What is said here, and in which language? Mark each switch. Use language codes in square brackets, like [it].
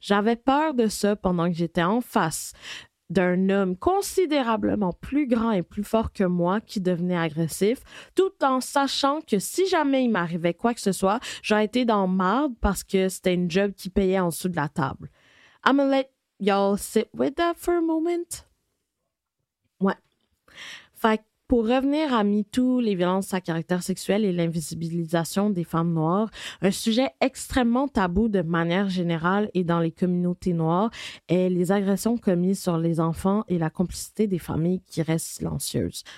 [fr] J'avais peur de ça pendant que j'étais en face d'un homme considérablement plus grand et plus fort que moi qui devenait agressif, tout en sachant que si jamais il m'arrivait quoi que ce soit, j'aurais été dans marde parce que c'était une job qui payait en dessous de la table. [en] I'm gonna let y'all sit with that for a moment. [fr] Ouais. Fait que pour revenir à MeToo, les violences à caractère sexuel et l'invisibilisation des femmes noires, un sujet extrêmement tabou de manière générale et dans les communautés noires est les agressions commises sur les enfants et la complicité des familles qui restent silencieuses.